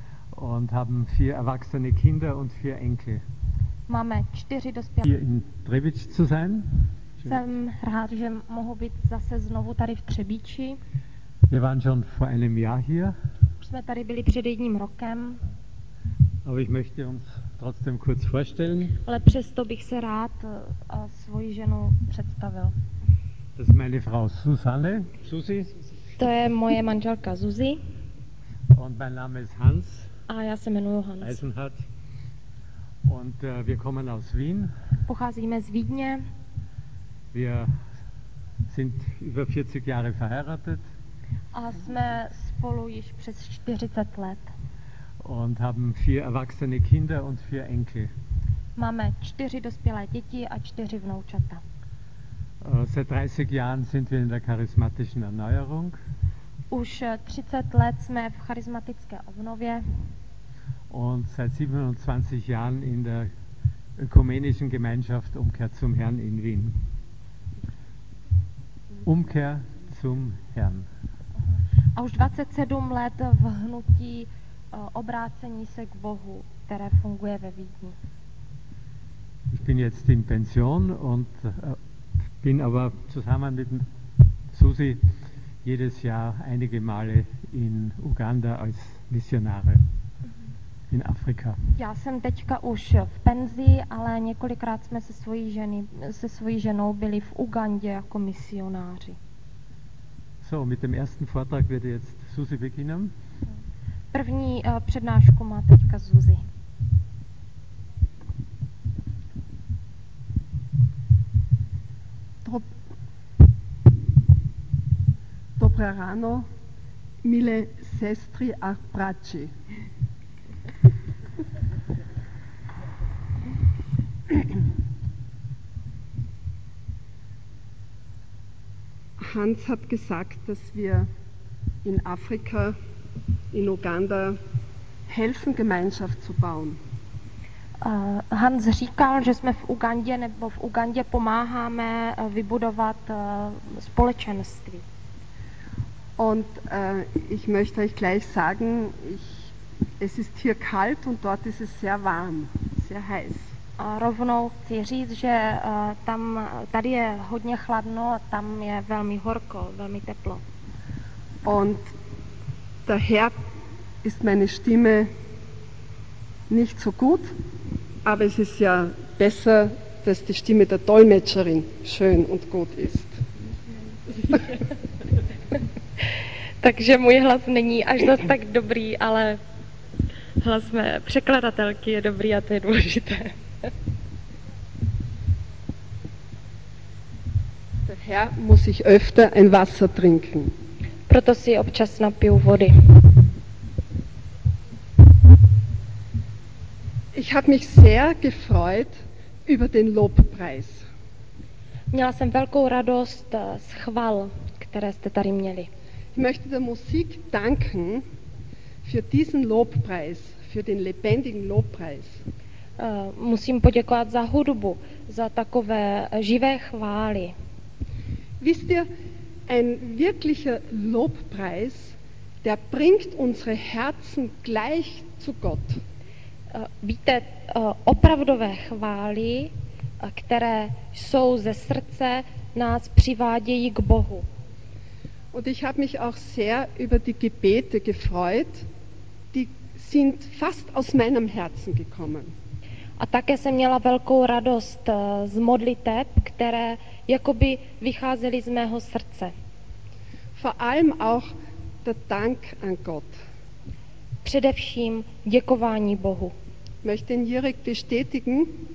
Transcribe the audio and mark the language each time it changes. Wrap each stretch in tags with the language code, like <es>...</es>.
<de>Und haben vier erwachsene Kinder und vier Enkel.</de> <cs>Máme čtyři dospělé.</cs> <de>Hier in Třebíč zu sein.</de> <cs>Jsem rád, že mohu být zase znovu tady v Třebíči.</cs> <de>Wir waren schon vor einem Jahr hier.</de> <cs>Už jsme tady byli před jedním rokem.</cs> <de>Aber ich möchte uns trotzdem kurz vorstellen.</de> <cs>Ale přesto bych se rád svoji ženu představil.</cs> <de>Das ist meine Frau Susanne, Susi.</de> <cs>To je moje manželka Zuzi.</cs> <de>Und mein Name ist Hans.</de> <cs>A já se jmenuji Hans.</cs> <de>Eisenhardt. Und wir kommen aus Wien.</de> <cs>Pocházíme z Vídně.</cs> <de>Wir sind über 40 Jahre verheiratet.</de> <cs>A jsme spolu již přes 40 let.</cs> <de>Und haben vier erwachsene Kinder und vier Enkel.</de> <cs>Máme čtyři dospělé děti a čtyři vnoučata.</cs> <de>Seit 30 Jahren sind wir in der charismatischen Erneuerung.</de> <cs>Už 30 let jsme v charismatické obnově.</cs> <de>Und seit 27 Jahren in der ökumenischen Gemeinschaft Umkehr zum Herrn in Wien. Umkehr zum Herrn.</de> <cs>A už 27 let v hnutí obrácení se k Bohu, které funguje ve Vídni.</cs> <de>Ich bin jetzt in Pension und bin aber zusammen mit Susi jedes Jahr einige Male in Uganda als Missionare in Afrika.</de> <cs>Já jsem teďka už v penzi, ale několikrát jsme se svojí ženou byli v Ugandě jako misionáři.</cs> <de>So, mit dem ersten Vortrag wird jetzt Susi beginnen.</de> <cs>První přednášku má teďka Susi. Dobré ráno, milé sestry a bratři.</cs> <de>Hans hat gesagt, dass wir in Afrika, in Uganda helfen, Gemeinschaft zu bauen.</de> <cs>Hans říkal, že jsme v Ugandě nebo v Ugandě pomáháme vybudovat společenství.</cs> <de>Und ich möchte euch gleich sagen, es ist hier kalt und dort ist es sehr warm, sehr heiß.</de> <cs>A rovnou chci říct, že tady je hodně chladno, tam je velmi horko, velmi teplo.</cs> <de>Und daher ist meine Stimme nicht so gut, aber es ist ja besser, dass die Stimme der Dolmetscherin schön und gut ist.</de> <cs>Takže můj hlas není až zas tak dobrý, ale hlas mé překladatelky je dobrý a to je důležité.</cs> <de>Daher muss ich öfter ein Wasser trinken.</de> <cs>Proto si občas napiju vody.</cs> <de>Ich habe mich sehr gefreut über den Lobpreis.</de> <cs>Měla jsem velkou radost z chval, které jste tady měli.</cs> <de>Ich möchte der Musik danken für diesen Lobpreis, für den lebendigen Lobpreis.</de> <cs>Musím poděkovat za hudbu, za takové živé chvály.</cs> <de>Wisst ihr, ein wirklicher Lobpreis, der bringt unsere Herzen gleich zu Gott.</de> <cs>Víte, opravdové chvály, které jsou ze srdce, nás přivádějí k Bohu.</cs> <de>Und ich habe mich auch sehr über die Gebete gefreut, die sind fast aus meinem Herzen gekommen.</de> <cs>A také jsem měla velkou radost z modliteb, které jakoby vycházely z mého srdce.</cs> <de>Vor allem auch der Dank an Gott.</de> <cs>Především děkování Bohu.</cs> <de>Möchte den Jirik bestätigen?</de>